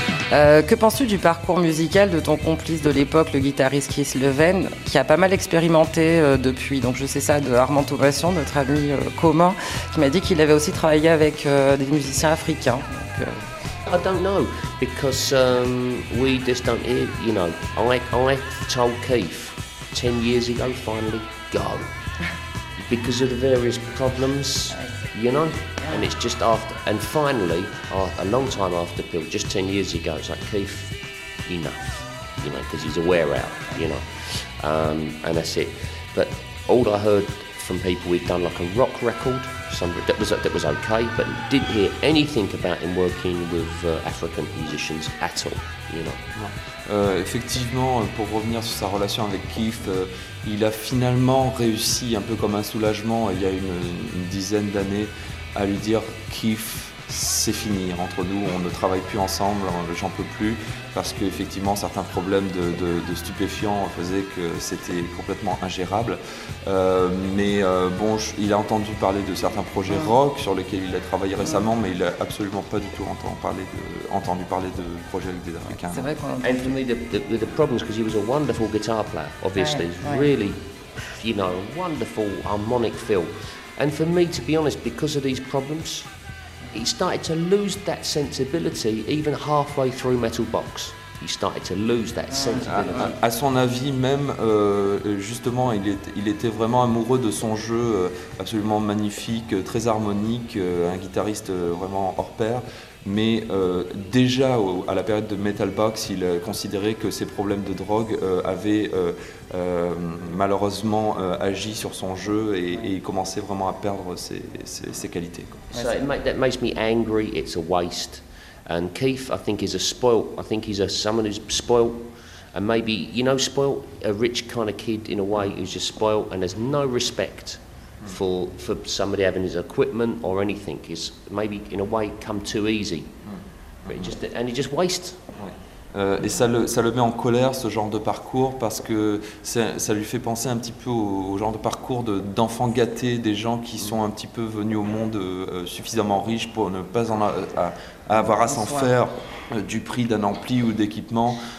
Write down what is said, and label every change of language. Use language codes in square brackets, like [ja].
[fr] Que penses-tu du parcours musical de ton complice de l'époque, le guitariste Chris Levén, qui a pas mal expérimenté depuis, donc je sais ça, de Armand Thomasson, notre ami commun, qui m'a dit qu'il avait aussi travaillé avec des musiciens africains. Donc, [en] I don't know, because we just don't hear, you know, I told Keith 10 years ago, finally, go. Because of the various problems, you know? And it's just after, and finally, a long time after Pill, just 10 years ago, it's like, Keith, enough, you know, because he's a wear out, you know, and that's it. But all I heard from people, we'd done like a rock record, somebody that was okay, but didn't hear anything about him working with African musicians at all, you know. [fr] Effectivement, pour revenir sur sa relation avec Keith, il a finalement réussi, un peu comme un soulagement, il y a une dizaine d'années, à lui dire « Keith, c'est fini, entre nous, on ne travaille plus ensemble, j'en peux plus », parce qu'effectivement, certains problèmes de stupéfiants faisaient que c'était complètement ingérable. Il a entendu parler de certains projets rock sur lesquels il a travaillé récemment, mais il n'a absolument pas du tout entendu parler de projets avec des Africains. C'est vrai qu'on l'a entendu. Et pour moi, le problème, c'est qu'il était un [en] guitar player wonderful, obviously, [fr] ouais. [en] Really, you know, wonderful harmonic feel. And for me, to be honest, because of these problems, he started to lose that sensibility even halfway through Metal Box. He started to lose that sensibility. [fr] À son avis même, justement, il était vraiment amoureux de son jeu absolument magnifique, très harmonique, un guitariste vraiment hors pair. Mais déjà à la période de Metal Box, il considérait que ses problèmes de drogue avaient malheureusement agi sur son jeu et il commençait vraiment à perdre ses qualités. [en] So that makes me angry. It's a waste. And Keith, I think, is a spoilt. I think he's someone who's spoilt, and maybe, you know, spoilt, a rich kind of kid in a way who's just spoilt and has no respect. For somebody having his equipment or anything is maybe in a way come too easy, but he just wastes. [fr] Et ça le met en colère, ce genre de parcours, parce que ça lui fait penser un petit peu au genre de parcours d'enfants gâtés, des gens qui sont un petit peu venus au monde suffisamment riches pour ne pas avoir à s'en faire du prix d'un ampli ou d'équipement.